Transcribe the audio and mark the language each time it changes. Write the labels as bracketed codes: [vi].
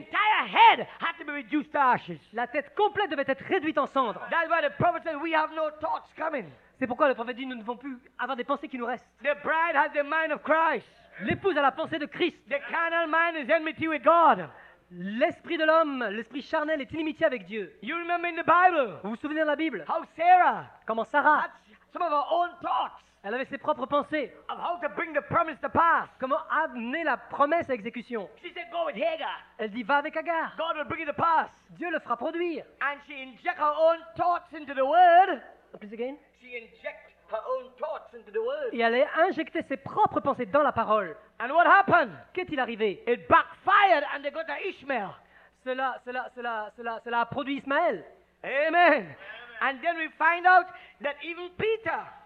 [en] The entire head had to be reduced to ashes. [fr] La tête complète devait être réduite en cendres. [en] That's why the prophet said, we have no thoughts coming. [fr] C'est pourquoi le prophète dit, nous ne devons plus avoir des pensées qui nous restent. [en] The bride has the mind of Christ. [fr] L'épouse a la pensée de Christ. [en] The carnal mind is enmity with God. [fr] L'esprit de l'homme, l'esprit charnel est inimitié avec Dieu. [en] You remember in the Bible, [fr] vous vous souvenez de la Bible? [en] How Sarah, [fr] comment Sarah, [en] some of her own thoughts. [fr] Elle avait ses propres pensées. [en] Of how to bring the promise to pass. [fr] Comment amener la promesse à exécution. [en] She said, go with Hagar. [fr] Elle dit, va avec Hagar. [en] God will bring it to pass. [fr] Dieu le fera produire. [en] And she inject her own thoughts into the word. Please again. She inject her own thoughts into the word. [fr] Et elle a injecté ses propres pensées dans la parole. [en] And what happened? [fr] Qu'est-il arrivé? [en] It backfired and they got an Ishmael. [fr] Cela a produit Ismaël. [en] Amen. And then we find out that even Peter.